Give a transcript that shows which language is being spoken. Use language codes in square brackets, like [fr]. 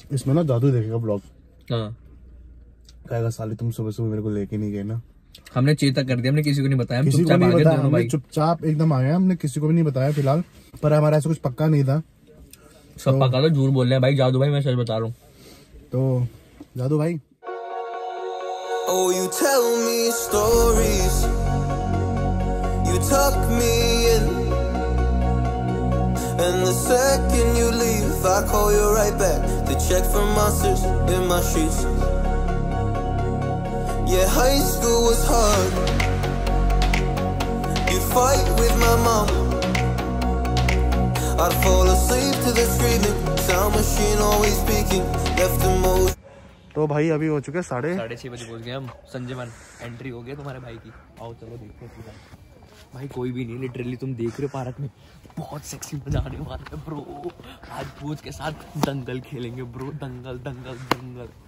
[hi] इसमें ना जादू देखेगा ब्लॉग, हाँ कहेगा साले तुम सुबह सुबह मेरे को लेके नहीं गए ना, हमने चेतक कर दिया, हमने किसी को नहीं बताया, चुपचाप एकदम आया, हमने किसी को भी नहीं बताया फिलहाल, पर हमारा ऐसा कुछ पक्का नहीं था, सब पक्का था झूठ बोल रहे हैं भाई जादू भाई, मैं सच बता रहा हूँ। तो जादू भाई [en] oh you tell me stories you tuck me in and the second you leave I call you right back to check for monsters in my sheets yeah high school was hard you'd fight with my mom I'd fall asleep to the screaming sound machine always speaking left and most। [hi] तो भाई अभी हो चुके 6:30 बजे पहुंच गए हम Sanjay one, entry हो गया तुम्हारे भाई की, आओ चलो देखते हैं सीधा। भाई कोई भी नहीं, लिटरली तुम देख रहे हो पार्क में बहुत सेक्सी मजाने वाले हैं ब्रो, आज पूछ के साथ दंगल खेलेंगे ब्रो, दंगल दंगल दंगल।